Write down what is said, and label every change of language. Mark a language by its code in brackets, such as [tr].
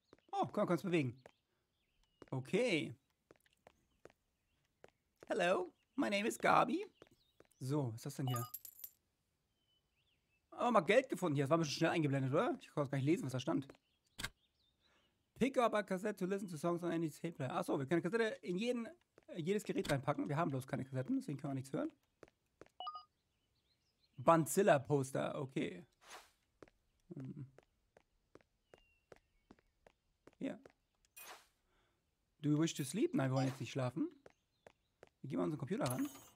[de] Oh, komm, kannst du bewegen. Okay. [en] Hello, my name is Gabi. [de] So, was ist das denn hier? Oh, mal Geld gefunden hier. Das war mir schon schnell eingeblendet, oder? Ich konnte es gar nicht lesen, was da stand. [en] Pick up a cassette to listen to songs on any tape player. [de] Achso, wir können eine Kassette in jedes Gerät reinpacken. Wir haben bloß keine Kassetten, deswegen können wir nichts hören. Banzilla Poster, okay. Ja. [en] Do you wish to sleep? [de] Nein, wir wollen jetzt nicht schlafen. Wir gehen mal unseren Computer ran.